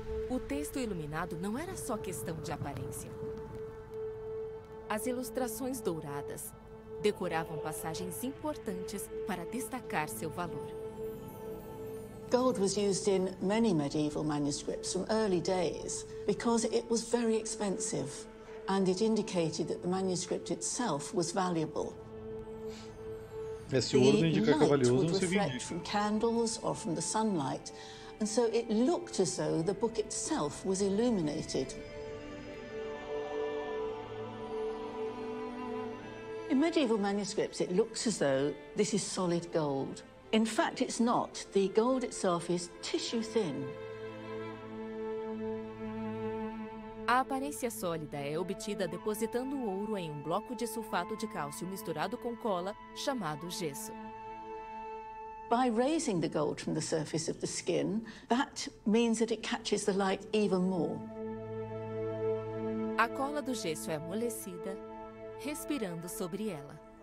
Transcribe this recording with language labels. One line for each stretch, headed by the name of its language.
Portuguese: O texto iluminado não era só questão de aparência. As ilustrações douradas decoravam passagens importantes para destacar seu valor.
English: Gold was used in many medieval manuscripts from early days because it was very expensive and it indicated that the manuscript itself was valuable.
Portuguese: Esse ouro indica que é valioso, não se vende.
English: The light from candles or from the sunlight, and so it looked as though the book itself was illuminated. In medieval manuscripts, it looks as though this is solid gold. In fact, it's not. The gold itself is tissue thin.
Portuguese: A aparência sólida é obtida depositando o ouro em um bloco de sulfato de cálcio misturado com cola, chamado gesso.
English: By raising the gold from the surface of the skin, that means that it catches the light even more.
Portuguese: A cola do gesso é amolecida, respirando sobre ela.